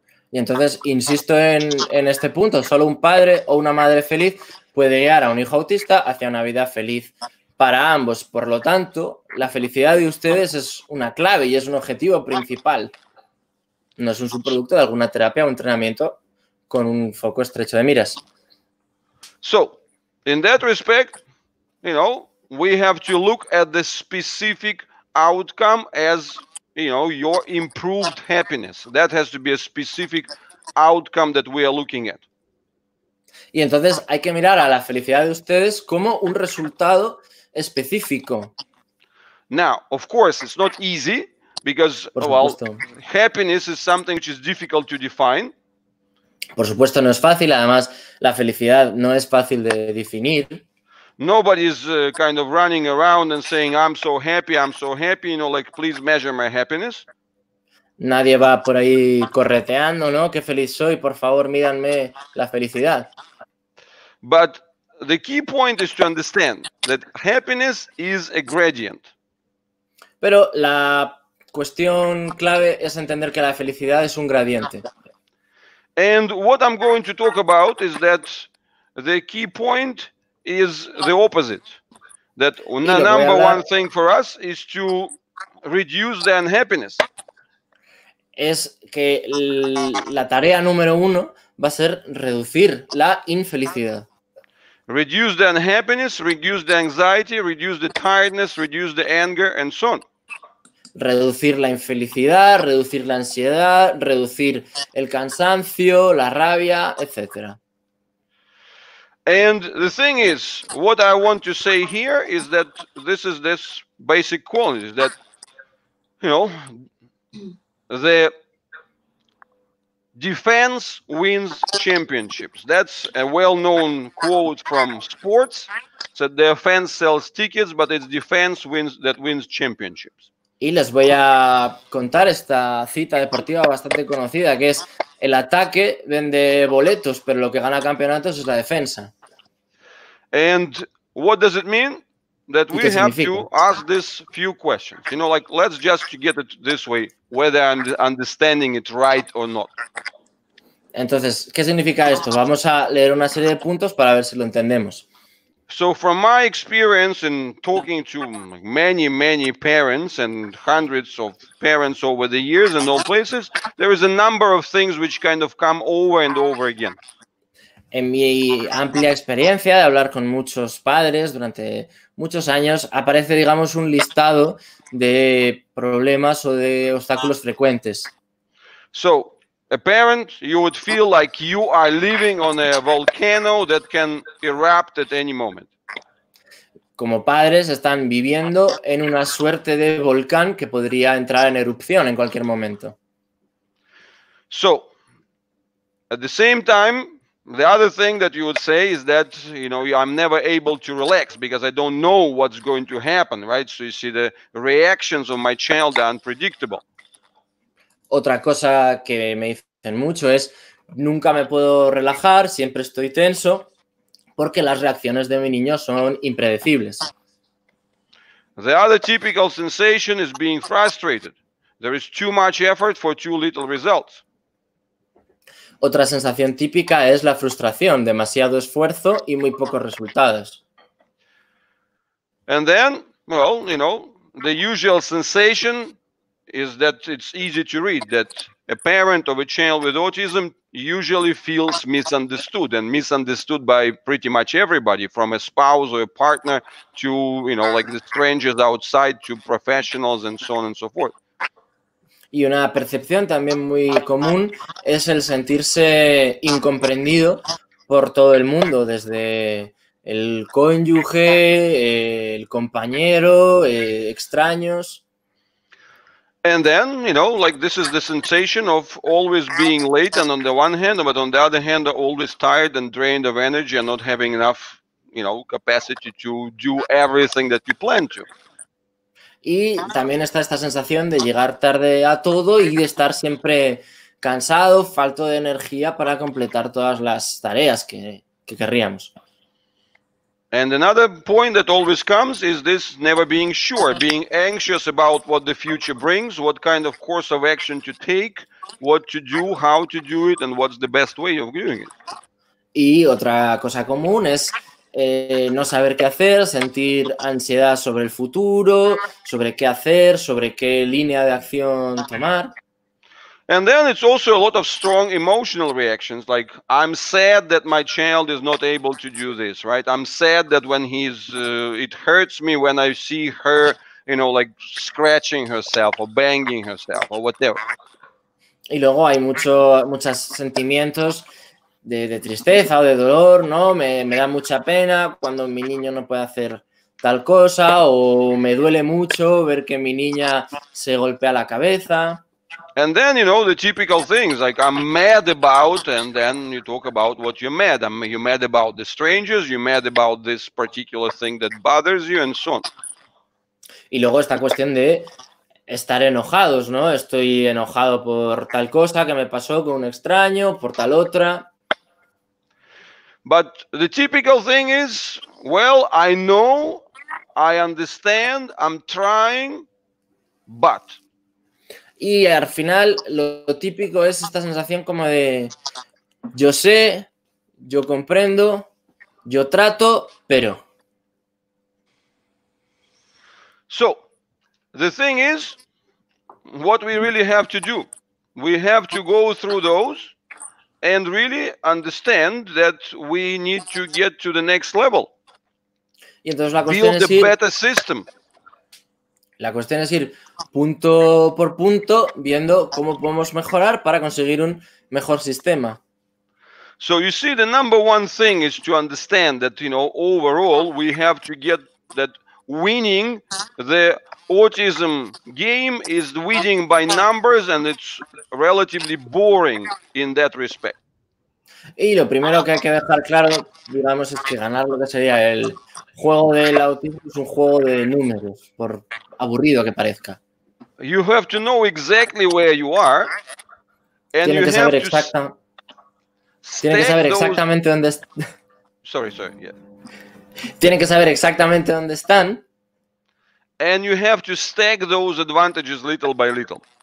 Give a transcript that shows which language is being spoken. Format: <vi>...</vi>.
<es>Y entonces, insisto en este punto, solo un padre o una madre feliz puede guiar a un hijo autista hacia una vida feliz para ambos. Por lo tanto, la felicidad de ustedes es una clave y es un objetivo principal. No es un subproducto de alguna terapia o entrenamiento con un foco estrecho de miras.</es> <en>So, in that respect, you know, we have to look at the specific outcome as, you know, your improved happiness. That has to be a specific outcome that we are looking at.</en> <es>Y entonces hay que mirar a la felicidad de ustedes como un resultado específico.</es> <en>Now, of course, it's not easy because, well, happiness is something which is difficult to define.</en> <es>Por supuesto, no es fácil. Además, la felicidad no es fácil de definir.</es> <en>Nobody is kind of running around and saying, I'm so happy, you know, like, please measure my happiness.</en> <es>Nadie va por ahí correteando, ¿no? Qué feliz soy, por favor, mídanme la felicidad.</es> <en>But the key point is to understand that happiness is a gradient.</en> <es>Pero la cuestión clave es entender que la felicidad es un gradiente.</es> <en>And what I'm going to talk about is that the key point is the opposite. That the number one thing for us is to reduce the unhappiness.</en> <es>Es que la tarea número uno va a ser reducir la infelicidad.</es> <en>Reduce the unhappiness, reduce the anxiety, reduce the tiredness, reduce the anger, and so on.</en> <es>Reducir la infelicidad, reducir la ansiedad, reducir el cansancio, la rabia, etc.</es> <en>And the thing is, what I want to say here is that this is this basic quality that, you know, the defense wins championships. That's a well-known quote from sports. So the offense sells tickets, but it's defense wins that wins championships.</en> <es>Y les voy a contar esta cita deportiva bastante conocida, que es el ataque vende boletos, pero lo que gana campeonatos es la defensa.</es> <en>And what does it mean? That we have to ask this few questions. You know, like, let's just get it this way, whether I'm understanding it right or not.</en> <es>Entonces, ¿qué significa esto? Vamos a leer una serie de puntos para ver si lo entendemos.</es> <en>So from my experience in talking to many, many parents and hundreds of parents over the years in all places, there is a number of things which kind of come over and over again.</en> <es>En mi amplia experiencia de hablar con muchos padres durante muchos años, aparece, digamos, un listado de problemas o de obstáculos frecuentes.</es> <en>So, a parent, you would feel like you are living on a volcano that can erupt at any moment.</en> <es>Como padres, están viviendo en una suerte de volcán que podría entrar en erupción en cualquier momento.</es> <en>So, at the same time, the other thing that you would say is that, you know, I'm never able to relax because I don't know what's going to happen, right? So you see, the reactions of my child are unpredictable.</en> <es>Otra cosa que me dicen mucho es, nunca me puedo relajar, siempre estoy tenso, porque las reacciones de mi niño son impredecibles.</es> <en>The other typical sensation is being frustrated. There is too much effort for too little results.</en> <es>Otra sensación típica es la frustración, demasiado esfuerzo y muy pocos resultados.</es> <en>And then, well, you know, the usual sensation is that it's easy to read, that a parent of a child with autism usually feels misunderstood, and misunderstood by pretty much everybody, from a spouse or a partner to, you know, like the strangers outside, to professionals and so on and so forth.</en> <es>Y una percepción también muy común es el sentirse incomprendido por todo el mundo, desde el cónyuge, el compañero, extraños.</es> <en>And then, you know, like this is the sensation of always being late and on the one hand, but on the other hand, always tired and drained of energy and not having enough, you know, capacity to do everything that you plan to.</en> <es>Y también está esta sensación de llegar tarde a todo y de estar siempre cansado, falto de energía para completar todas las tareas que querríamos.</es> <en>And another point that always comes is this never being sure, being anxious about what the future brings, what kind of course of action to take, what to do, how to do it, and what's the best way of doing it.</en> <es>Y otra cosa común es no saber qué hacer, sentir ansiedad sobre el futuro, sobre qué hacer, sobre qué línea de acción tomar.</es> <en>And then it's also a lot of strong emotional reactions, like I'm sad that my child is not able to do this, right? I'm sad that when he's, it hurts me when I see her, you know, like scratching herself or banging herself or whatever.</en> <es>Y luego hay muchos sentimientos de tristeza o de dolor, ¿no? Me da mucha pena cuando mi niño no puede hacer tal cosa o me duele mucho ver que mi niña se golpea la cabeza.</es> <en>And then, you know, the typical things, like I'm mad about, and then you talk about what you're mad. I mean, you're mad about the strangers, you're mad about this particular thing that bothers you, and so on.</en> <es>Y luego esta cuestión de estar enojados, ¿no? Estoy enojado por tal cosa que me pasó con un extraño, por tal otra.</es> <en>But the typical thing is, well, I know, I understand, I'm trying, but...</en> <es>Y al final, lo típico es esta sensación como de yo sé, yo comprendo, yo trato, pero.</es> <en>So, the thing is, what we really have to do, we have to go through those and really understand that we need to get to the next level.</en> <es>Y entonces la cuestión</es> <en>build</en> <es>es</es> <en>the</en> <es>ir...</es> <en>better system.</en> <es>La cuestión es ir punto por punto viendo cómo podemos mejorar para conseguir un mejor sistema.</es> <en>So you see, the number one thing is to understand that, you know, overall we have to get that winning the autism game is winning by numbers and it's relatively boring in that respect.</en> <es>Y lo primero que hay que dejar claro, digamos, es que ganar lo que sería el juego del autismo es un juego de números, por aburrido que parezca.</es> <en>You have to know exactly where you are. And</en> <es>tienes,</es> <en>you</en> <es>que</es> <en>have</en> <es>saber exacta, tienes que saber exactamente</es> <en>those...</en> <es>dónde están.</es> <en>Sorry, yeah.</en> <es>Tienes que saber exactamente dónde están.</es> <en>And you have to stack those advantages little by little.</en>